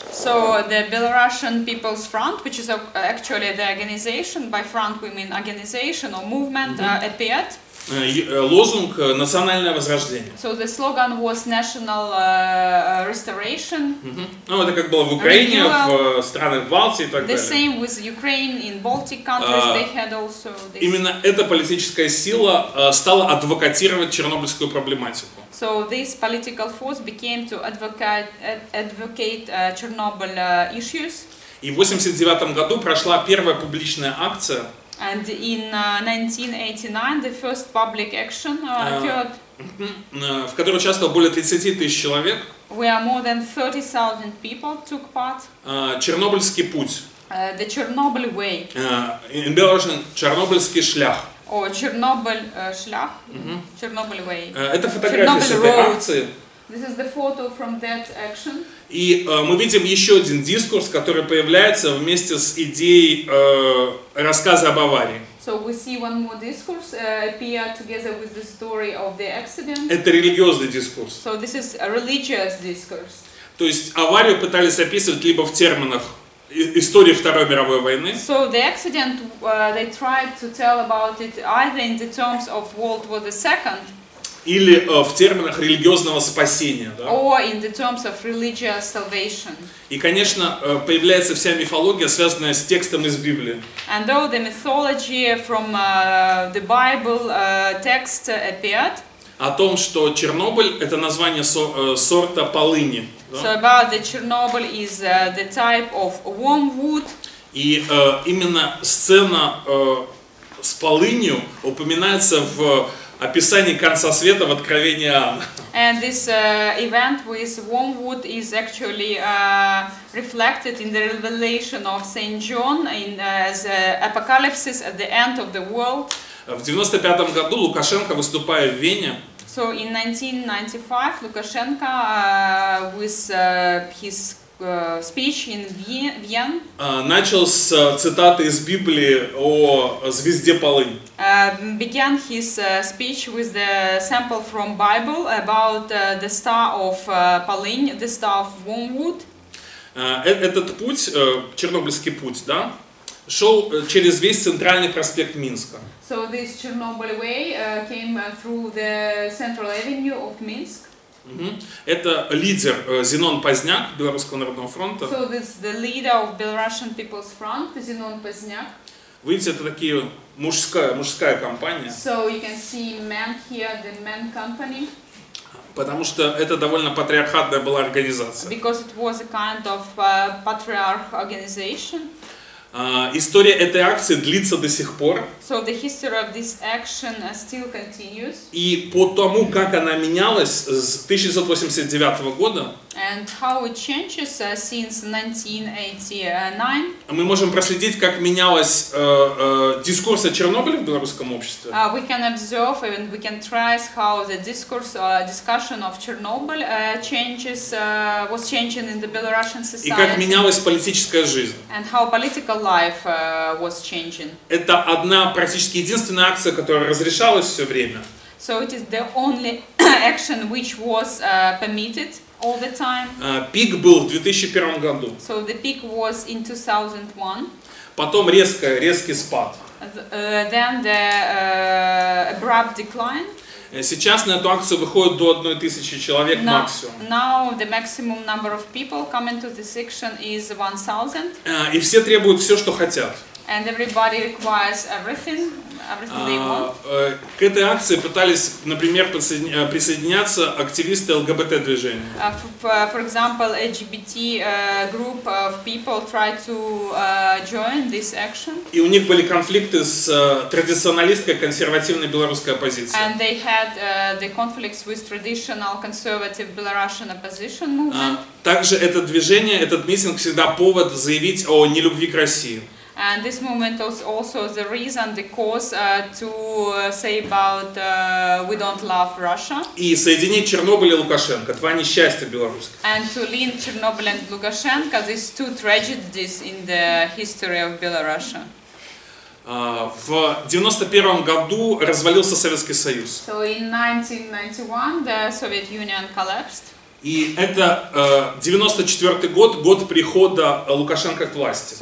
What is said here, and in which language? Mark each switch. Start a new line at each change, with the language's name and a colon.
English: So the Belarusian People's Front, which is actually the organization, by front we mean organization or movement, appeared.
Russian: Лозунг «Национальное возрождение».
English: So the slogan was national restoration. Mm-hmm.
Russian: Ну, это как было в Украине,
English: renewal,
Russian: в странах Балтии и так
English: the
Russian: далее.
English: The same with Ukraine in Baltic countries, they had also this.
Russian: Именно эта политическая сила стала адвокатировать чернобыльскую проблематику.
English: So this political force became to advocate Chernobyl issues.
Russian: И в 89 году прошла первая публичная акция.
English: And in 1989, the first public action occurred.
Russian: В которой участвовало более 30 тысяч человек.
English: Where more than 30,000 people took part.
Russian: Чернобыльский путь.
English: The Chernobyl way. In Belarusian,
Belarusian: Чернобыльский шлях.
English: Oh, Chernobyl шлях. Mm-hmm. Chernobyl way.
Russian: Это фотография с этой акции.
English: This is the photo from that action.
Russian: И мы видим еще один дискурс, который появляется вместе с идеей рассказа об аварии.
English: So we see one more discourse appear together with the story of the accident.
Russian: Это религиозный дискурс.
English: So this is a religious discourse.
Russian: То есть аварию пытались описывать либо в терминах истории Второй мировой войны.
English: So the accident they tried to tell about it either in the terms of World War II.
Russian: или в терминах религиозного спасения. Да?
English: Or in the terms of religious salvation.
Russian: И, конечно, появляется вся мифология, связанная с текстом из Библии.
English: And though the mythology from the Bible text appeared.
Russian: О том, что Чернобыль — это название сорта полыни. Да?
English: So about the Chernobyl is the type of wormwood.
Russian: И именно сцена с полынью упоминается в описании конца света в Откровении Иоанна.
English: And this event with wormwood is actually reflected in the revelation of Saint John in as apocalypsis at the end of the world.
Russian: В 95 году Лукашенко, выступая в Вене,
English: so in 1995 Лукашенко with his speech in Vienna
Russian: начал с цитаты из Библии о звезде полынь.
English: Began his speech with the sample from Bible about the star of полынь, the star of wormwood.
Russian: Этот путь, Чернобыльский путь, да, шел через весь центральный проспект Минска.
English: So this Chernobyl way came through the Central Avenue of Minsk. Mm-hmm.
Russian: Это лидер Зенон Поздняк Белорусского народного фронта.
English: So this is the leader of Belarusian People's Front, Зенон Поздняк.
Russian: Видите, это такие мужская компания.
English: So you can see men here, the men company.
Russian: Потому что это довольно патриархатная была организация.
English: Because it was a kind of patriarch organization.
Russian: История этой акции длится до сих пор.
English: So the history of this action still continues.
Russian: И по тому, как она менялась с 1989 года,
English: and how it changes since 1989,
Russian: мы можем проследить, как менялась дискурс о Чернобыле в белорусском обществе.
English: We can observe and we can trace how the discourse discussion of Chernobyl changes was changing in the Belarusian society.
Russian: И как менялась политическая жизнь.
English: And how political life was changing.
Russian: Это одна практически единственная акция, которая разрешалась все время.
English: So it is the only action which was permitted. All the time.
Russian: Пик был в 2001 году.
English: So the peak was in 2001.
Russian: Потом резкий спад.
English: Then the abrupt decline.
Russian: Сейчас на эту акцию выходит до 1000 человек максимум.
English: Now the maximum number of people coming to this action is 1000.
Russian: И все требуют все, что хотят.
English: And everybody requires everything they want.
Russian: К этой акции пытались, например, присоединяться активисты ЛГБТ-движения.
English: For example, LGBT group of people tried to join this action.
Russian: И у них были конфликты с традиционалисткой консервативной белорусской оппозицией.
English: And they had the conflicts with traditional conservative Belarusian opposition movement.
Russian: Также это движение, этот митинг всегда повод заявить о нелюбви к России.
English: And this movement was also the reason, the cause to say about we don't love Russia.
Russian: И соединить Чернобыль и Лукашенко, два несчастья белорусских.
English: And to link Chernobyl and Lukashenko, these two tragedies in the history of Belarus.
Russian: В 91 году развалился Советский Союз.
English: So in 1991 the Soviet Union collapsed.
Russian: И это 94 год, год прихода Лукашенко к власти.